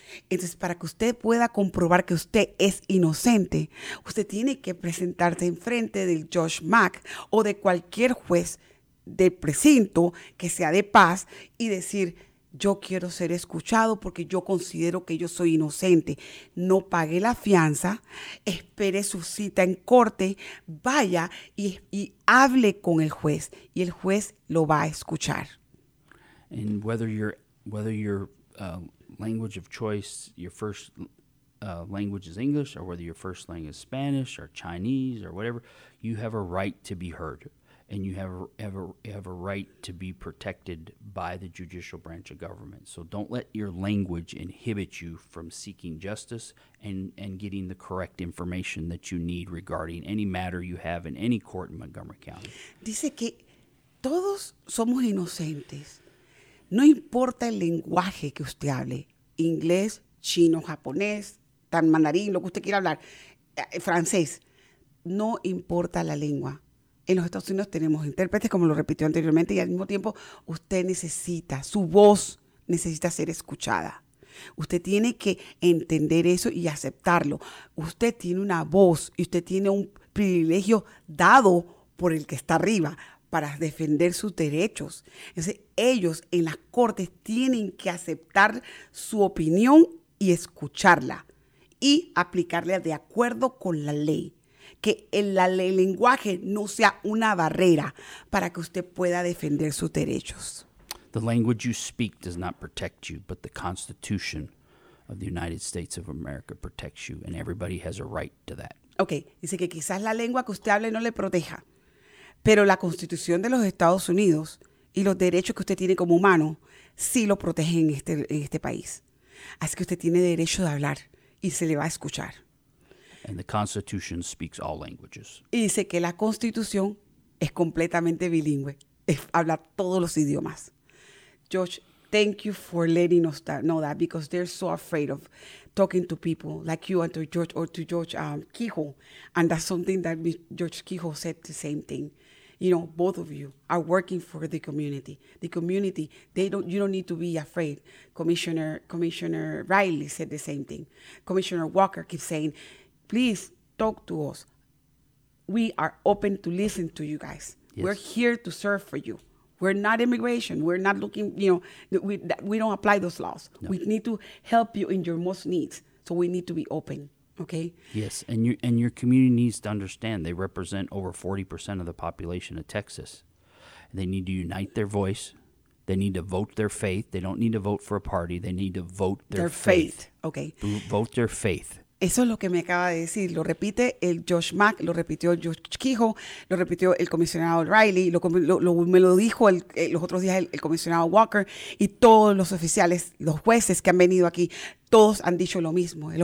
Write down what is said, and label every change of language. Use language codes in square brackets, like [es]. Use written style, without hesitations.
[es] Entonces, para que usted pueda comprobar que usted es inocente, usted tiene que presentarse enfrente del Josh Mack o de cualquier juez del precinto que sea de paz y decir, yo quiero ser escuchado porque yo considero que yo soy inocente. No pague la fianza, espere su cita en corte, vaya y hable con el juez y el juez lo va a escuchar. [en] And whether you're language of choice, your first language is English, or whether your first language is Spanish or Chinese or whatever, you have a right to be heard, and you have a right to be protected by the judicial branch of government. So don't let your language inhibit you from seeking justice and getting the correct information that you need regarding any matter you have in any court in Montgomery County. [es] Dice que todos somos inocentes. No importa el lenguaje que usted hable, inglés, chino, japonés, tan mandarín, lo que usted quiera hablar, francés, no importa la lengua. En los Estados Unidos tenemos intérpretes, como lo repitió anteriormente, y al mismo tiempo usted necesita, su voz necesita ser escuchada. Usted tiene que entender eso y aceptarlo. Usted tiene una voz y usted tiene un privilegio dado por el que está arriba para defender sus derechos. Entonces, ellos en las cortes tienen que aceptar su opinión y escucharla y aplicarla de acuerdo con la ley. Que el lenguaje no sea una barrera para que usted pueda defender sus derechos. [en] The language you speak does not protect you, but the Constitution of the United States of America protects you, and everybody has a right to that. [es] Okay, dice que quizás la lengua que usted hable no le proteja, pero la Constitución de los Estados Unidos y los derechos que usted tiene como humano sí lo protegen en este país. Así que usted tiene derecho de hablar y se le va a escuchar. [en] And the Constitution speaks all languages. [es] Y dice que la Constitución es completamente bilingüe, habla todos los idiomas. [en] George, thank you for letting us know that because they're so afraid of talking to people like you and to George or to George Kehoe. And that's something that George Kehoe said the same thing. You know, both of you are working for the community. The community, you don't need to be afraid. Commissioner Riley said the same thing. Commissioner Walker keeps saying, please talk to us. We are open to listen to you guys. Yes. We're here to serve for you. We're not immigration. We're not looking, you know, we don't apply those laws. No. We need to help you in your most needs. So we need to be open, okay? Yes, and your community needs to understand they represent over 40% of the population of Texas. They need to unite their voice. They need to vote their faith. They don't need to vote for a party. They need to vote their faith. Okay. Vote their faith. [es] Eso es lo que me acaba de decir. Lo repite el Josh Mack, lo repitió Josh Kehoe, lo repitió el comisionado Riley, me lo dijo los otros días el comisionado Walker y todos los oficiales, los jueces que han venido aquí, todos han dicho lo mismo.